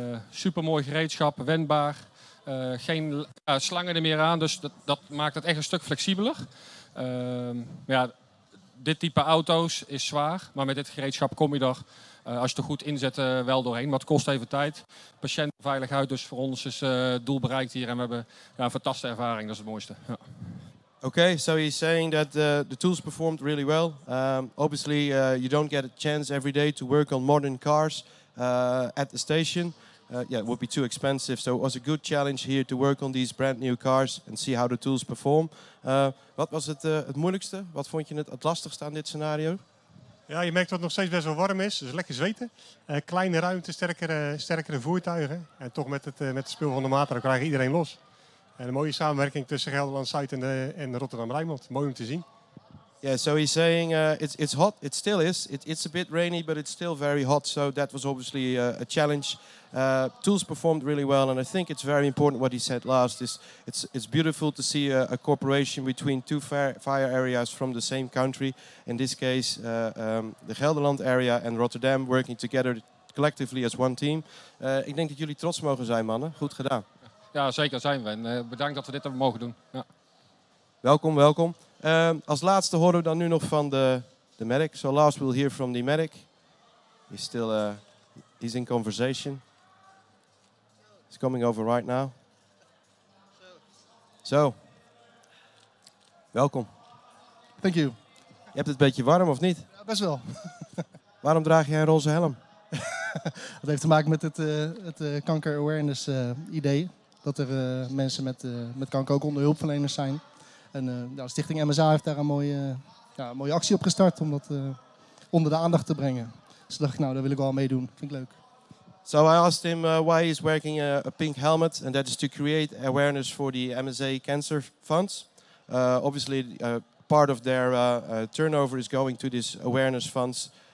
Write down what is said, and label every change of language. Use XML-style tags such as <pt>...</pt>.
<nl>Supermooi gereedschap, wendbaar. Geen slangen er meer aan, dus dat maakt het echt een stuk flexibeler. Dit type auto's is zwaar, maar met dit gereedschap kom je er, als je het goed inzet, wel doorheen. Maar het kost even tijd. Patiëntenveiligheid dus voor ons is doel bereikt hier. En we hebben een fantastische ervaring, dat is het mooiste. Ja.</nl> <en>Okay, so he's saying that the tools performed really well. Obviously, you don't get a chance every day to work on modern cars at the station. It would be too expensive. So it was a good challenge here to work on these brand new cars and see how the tools perform.</en> <nl>Wat was het moeilijkste? Wat vond je het lastigste aan dit scenario? Ja, je merkt dat het nog steeds best wel warm is. Dus lekker zweten. Kleine ruimte, sterkere voertuigen. En toch met het spul van de maat, dan krijg je iedereen los. And a mooie samenwerking tussen Gelderland Zuid en Rotterdam Rijnmond. Mooi om te zien.</nl> <en>Yeah, so he's saying it's hot. It still is. It's a bit rainy, but it's still very hot. So that was obviously a challenge. Tools performed really well, and I think it's very important what he said last. It's beautiful to see a cooperation between two fire areas from the same country. In this case, the Gelderland area and Rotterdam working together collectively as one team.</en> <nl>Ik denk dat jullie trots mogen zijn, mannen. Goed gedaan. Ja, zeker zijn we. En bedankt dat we dit hebben mogen doen. Ja. Welkom. Als laatste horen we dan nu nog van de medic.</nl> <en>So last we'll hear from the medic. He's still he's in conversation. He's coming over right now.</en> <nl>Zo. Welkom.</nl> <en>Thank you.</en> <nl>Je hebt het een beetje warm, of niet? Ja, best wel. Waarom draag jij een roze helm? Dat heeft te maken met het kanker awareness idee. Dat er mensen met kanker ook onder hulpverleners zijn. En Stichting MSA heeft daar een mooie actie op gestart om dat onder de aandacht te brengen. Dus dacht ik, nou, daar wil ik wel meedoen. Vind ik leuk.</nl> <en>So I asked him why he's wearing a pink helmet. And that is to create awareness for the MSA Cancer Funds. Obviously, part of their turnover is going to this awareness funds.</en>